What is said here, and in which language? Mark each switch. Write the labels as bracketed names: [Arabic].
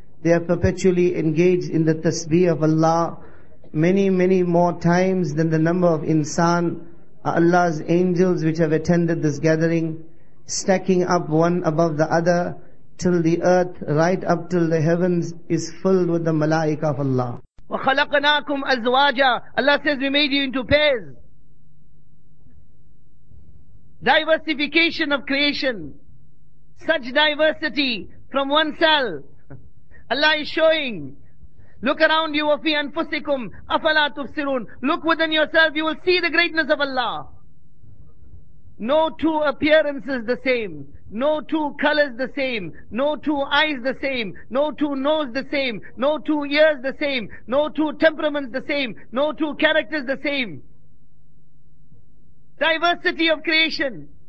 [English] They are perpetually engaged in the tasbih of Allah. Many, many more times than the number of insan are Allah's angels which have attended this gathering, stacking up one above the other till the earth right up till the heavens is filled with the malaika of Allah. [Arabic] وَخَلَقْنَاكُمْ أَزْوَاجًا. [English] Allah says we made you into pairs. Diversification of creation. Such diversity from one cell. Allah is showing. Look around you, [Arabic] وَفِي أَنفُسِكُمْ أَفَلَا تُفْسِرُونَ. [English] Look within yourself, you will see the greatness of Allah. No two appearances the same. No two colors the same. No two eyes the same. No two nose the same. No two ears the same. No two temperaments the same. No two characters the same. Diversity of creation.